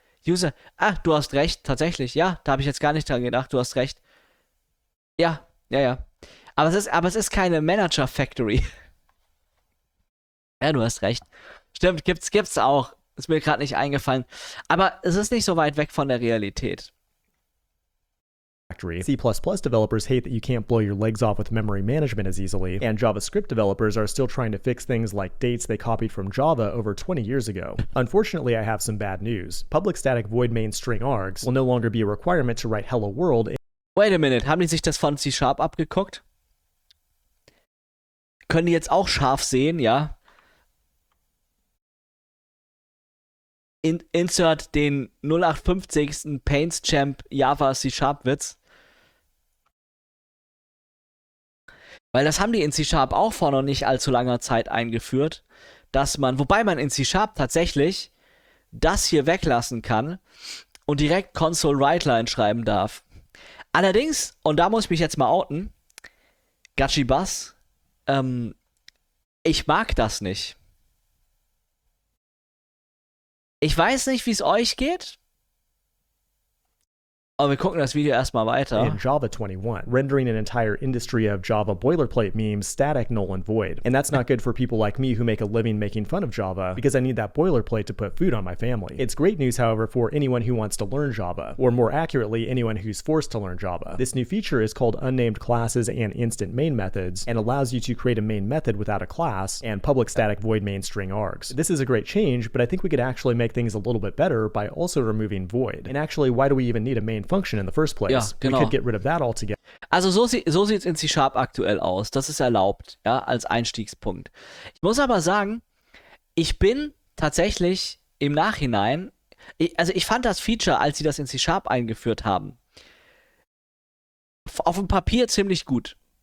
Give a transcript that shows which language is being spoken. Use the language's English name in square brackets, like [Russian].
[German] User, ah, du hast recht, tatsächlich. Ja, da habe ich jetzt gar nicht dran gedacht. Du hast recht. Ja, ja, ja. Aber es ist keine Manager Factory. Ja, du hast recht. Stimmt, gibt's auch. Ist mir gerade nicht eingefallen. Aber es ist nicht so weit weg von der Realität. [English] C++ developers hate that you can't blow your legs off with memory management as easily, and JavaScript developers are still trying to fix things like dates they copied from Java over 20 years ago. Unfortunately, I have some bad news. Public static void main string args will no longer be a requirement to write hello world. Wait a minute, [German] haben die sich das von C# abgeguckt? Können die jetzt auch scharf sehen, ja? Insert den 0850. Pains Champ Java C# Witz. Weil das haben die in C# auch vor noch nicht allzu langer Zeit eingeführt, dass man, wobei man in C# tatsächlich das hier weglassen kann und direkt Console Writeline schreiben darf. Allerdings, und da muss ich mich jetzt mal outen, Gachibus, ich mag das nicht. Ich weiß nicht, wie es euch geht. Aber wir gucken das Video erstmal weiter. [English] In Java 21, rendering an entire industry of Java boilerplate memes static, null, and void. And that's not good for people like me who make a living making fun of Java, because I need that boilerplate to put food on my family. It's great news, however, for anyone who wants to learn Java, or more accurately, anyone who's forced to learn Java. This new feature is called unnamed classes and instant main methods, and allows you to create a main method without a class and public static void main string args. This is a great change, but I think we could actually make things a little bit better by also removing void. And actually, why do we even need a main function in the first place? [German] Ja, genau. [English] We could get rid of that altogether. [German] Also so sieht es in C# aktuell aus. Das ist erlaubt, ja, als Einstiegspunkt. Ich muss aber sagen, ich bin tatsächlich im Nachhinein, ich fand das Feature, als sie das in C# eingeführt haben, auf dem Papier ziemlich gut.